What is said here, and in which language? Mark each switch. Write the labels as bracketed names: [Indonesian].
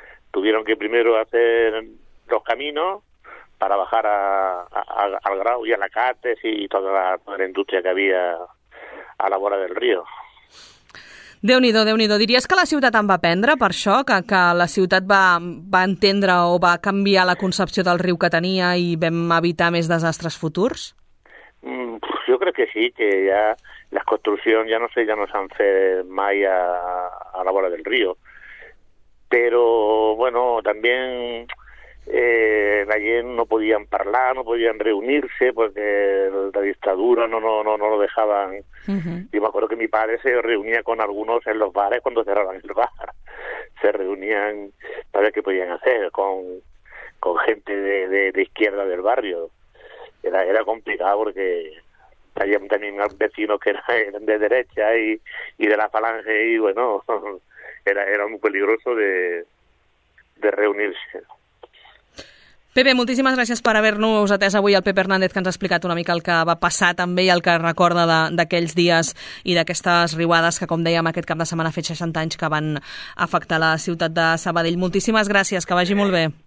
[Spanish] Tuvieron que primero hacer los caminos para bajar al grau y a la Cates y toda la industria que había [Catalan] a la vora [Spanish] del río. [Catalan] Déu-n'hi-do. Diries que la ciutat en va prendre per això? Que la ciutat va entendre o va canviar la concepció del riu que tenia i vam evitar més desastres futurs? [Spanish] Yo creo que sí, que ya las construcciones ya no se han hecho más a la bola del río. Pero bueno, también allí no podían hablar, no podían reunirse, porque la dictadura no lo dejaban. Uh-huh. Yo me acuerdo que mi padre se reunía con algunos en los bares cuando cerraban el bar. Se reunían para ver qué podían hacer con gente de izquierda del barrio. Era complicado porque había también vecinos que eran de derecha y de la Falange, y bueno, era muy peligroso de reunirse. [Catalan] Pepe, moltíssimes gràcies per haver-nos atès avui, el Pepe Hernández, que ens ha explicat una mica el que va passar també i el que recorda d'aquells dies i d'aquestes riuades que, com dèiem, aquest cap de setmana ha fet 60 anys que van afectar la ciutat de Sabadell. Moltíssimes gràcies, que vagi molt bé.